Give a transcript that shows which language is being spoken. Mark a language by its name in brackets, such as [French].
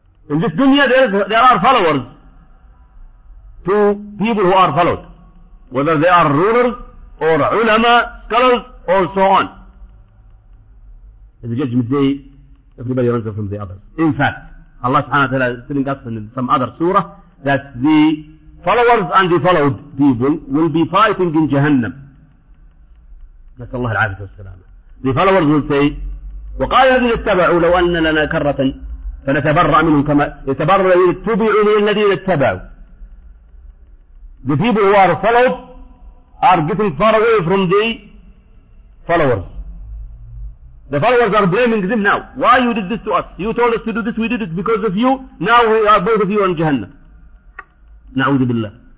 [English] In this dunya there are followers, two people who are followed, whether they are rulers or ulama, scholars or so on. In the judgment day, everybody runs from the others. In fact, Allah subhanahu wa ta'ala is telling us in some other surah that the followers and the followed people will be fighting in Jahannam. [Arabic] نسأل الله العافية والسلامة. [English] The followers will say, [Arabic] وقال الذين اتبعوا لو أن لنا كرة فنتبرأ منهم كما يتبرأ الذين اتبعوا من الذين اتبعوا. [English] The people who are followed are getting far away from the followers. The followers are blaming them now. Why you did this to us? You told us to do this, we did it because of you. Now we are both of you in Jahannam. [Arabic] نعوذ بالله.